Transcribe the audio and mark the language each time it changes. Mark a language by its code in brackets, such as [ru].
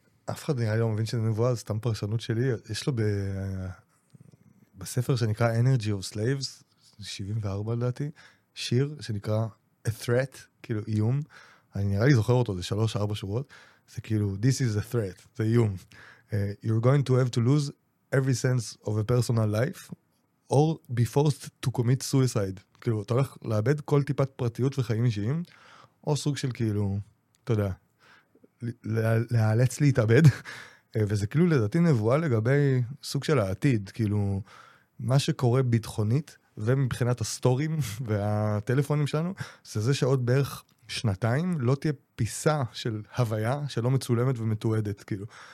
[he] אף אחד היה לא מבין שזה נבואה, זה סתם פרשנות שלי. יש לו בספר שנקרא Energy of Slaves, 74 לדעתי, שיר שנקרא A Threat, כאילו איום. אני נראה לי זוכר אותו, זה 3-4 שורות. זה כאילו, [en] This is a threat, [he] זה איום. [en] You're going to have to lose every sense of a personal life or be forced to commit suicide. [he] כאילו, אתה הולך לאבד כל טיפת פרטיות וחיים אישיים, או סוג של כאילו, אתה יודע, להיאלץ להתאבד. וזה כאילו לדעתי נבואה לגבי סוג של העתיד, כאילו, מה שקורה ביטחונית, ומבחינת הסטורים והטלפונים שלנו, זה זה שעוד בערך שנתיים לא תהיה פיסה של הוויה שלא מצולמת ומתועדת, כאילו.